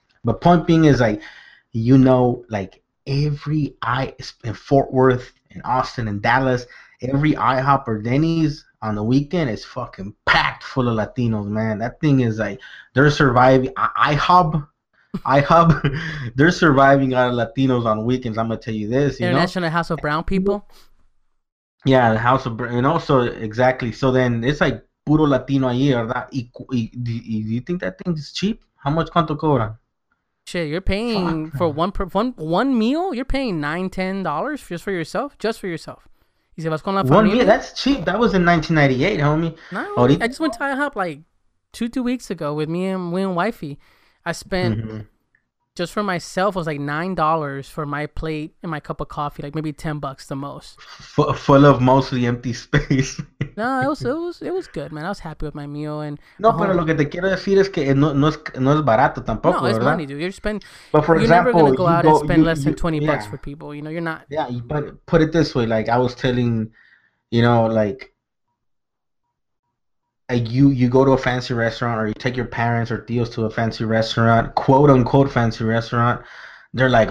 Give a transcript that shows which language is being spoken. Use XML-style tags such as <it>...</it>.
<en>But point being is, like, you know, like, every in Fort Worth, in Austin, in Dallas, every IHOP or Denny's on the weekend is fucking packed full of Latinos, man. That thing is, like, they're surviving. IHOP, IHOP, they're surviving out of Latinos on weekends. I'm gonna tell you this. International House of Brown People. Yeah, the House of Brown, and also exactly. So then it's like puro Latino ahí, ¿verdad? Do you think that thing is cheap? How much cuánto cobra? Shit, you're paying for one meal. You're paying $9-$10 just for yourself, just for yourself. Si vas con la familia, one meal, that's cheap. That was in 1998, homie. No, I just went to IHOP like two weeks ago with me and wifey. I spent just for myself was like $9 for my plate and my cup of coffee, like maybe $10 the most. Full of mostly empty space. No, it was good, man. I was happy with my meal and.</en> <es>No, pero lo que te quiero decir es que no es barato tampoco, ¿verdad? No, it's money,</es> <en>dude. You're never gonna go out and spend less than $20 for people. You know, you're not. Yeah, but put it this way, like I was telling, you know, like. You go to a fancy restaurant, or you take your parents or tios to a fancy restaurant, quote unquote fancy restaurant. They're like,</en>